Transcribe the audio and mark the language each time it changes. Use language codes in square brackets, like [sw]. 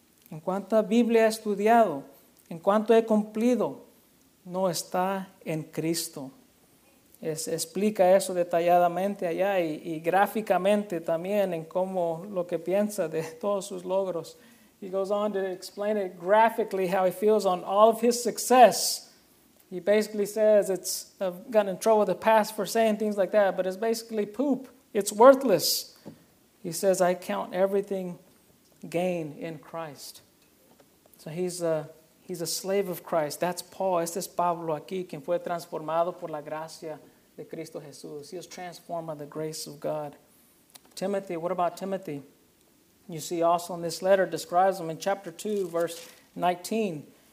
[es] En cuanto a Biblia he estudiado, en cuanto he cumplido, no está en Cristo. Explica eso detalladamente allá y gráficamente también en cómo lo que piensa de todos sus logros. [en] He goes on to explain it graphically how he feels on all of his success. He basically says, I've gotten in trouble in the past for saying things like that, but it's basically poop. It's worthless. He says, I count everything gain in Christ. So he's a slave of Christ. That's Paul. [es] Este es Pablo aquí, quien fue transformado por la gracia de Cristo Jesús. [en] He was transformed by the grace of God. Timothy, what about Timothy? You see also in this letter, describes him in chapter 2, verse 19.